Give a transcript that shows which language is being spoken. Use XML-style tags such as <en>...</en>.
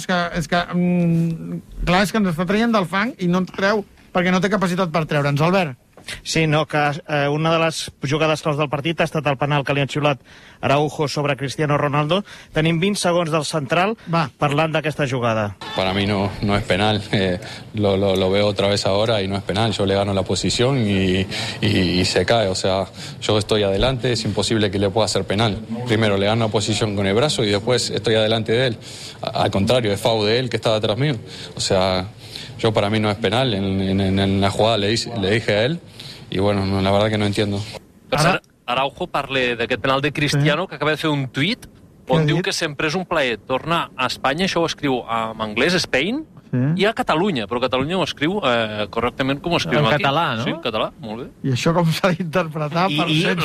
<ca>Clar, és que ens està traient del fang i no ens treu, perquè no té capacitat per treure'ns, Albert. Sí, no, que una de les jugades claus del partit ha estat el penal que li ha xiulat Araujo sobre Cristiano Ronaldo. Tenim 20 segons del central parlant d'aquesta jugada.</ca> <es>Para mí no es penal. Lo veo otra vez ahora y no es penal. Yo le gano la posición y se cae. O sea, yo estoy adelante, es imposible que le pueda hacer penal. Primero le gano la posición con el brazo y después estoy adelante de él. Al contrario, es foul de él que estaba detrás mío. O sea... Yo para mí no es penal, en la jugada le dije a él, y bueno, la verdad que no entiendo.</es> <ca>Araujo parla d'aquest penal de Cristiano, que acaba de fer un tuit on diu que sempre és un plaer tornar a Espanya, això ho escriu en anglès, Spain, i a Catalunya, però Catalunya ho escriu correctament com ho escriu aquí. En català, no? Sí, en català, molt bé. I això com s'ha d'interpretar per ser primera</ca>